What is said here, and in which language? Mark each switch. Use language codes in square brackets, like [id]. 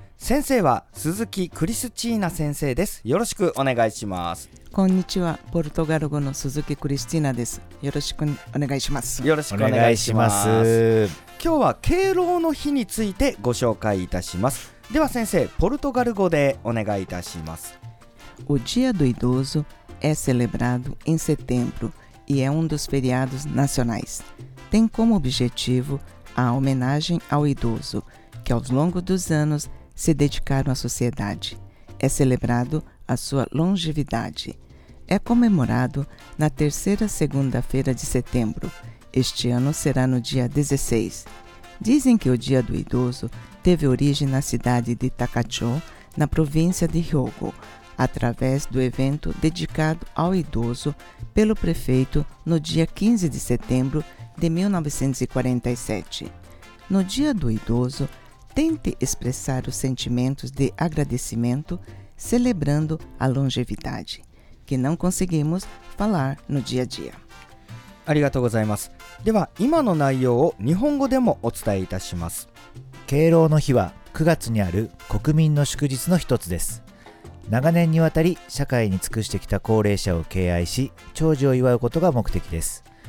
[ja] 先生は鈴木クリスチーナ先生です。よろしくお願いします。こんにちは、ポルトガル語の鈴木クリスチーナです。よろしくお願いします。よろしくお願いします。今日は敬老の日についてご紹介いたします。では先生、ポルトガル語でお願いいたします。 [pt] O dia do idoso é celebrado em setembro e é dos feriados nacionais. Tem como objetivo a homenagem ao idoso que ao longo dos anos se dedicaram à sociedade. É celebrado a sua longevidade. É comemorado na terceira segunda-feira de setembro. Este ano será no dia 16. Dizem que o dia do idoso teve origem na cidade de Takacho, na província de Hyogo, através do evento dedicado ao idoso pelo prefeito no dia 15 de setembro de 1947. No dia do idoso, tente expressar os sentimentos de agradecimento celebrando a longevidade, que não conseguimos falar no dia a dia. [ja] ありがとうございます。では今の内容を日本語でもお伝えいたします。敬老の日は9月にある国民の祝日の一つです。長年にわたり社会に尽くしてきた高齢者を敬愛し長寿を祝うことが目的です。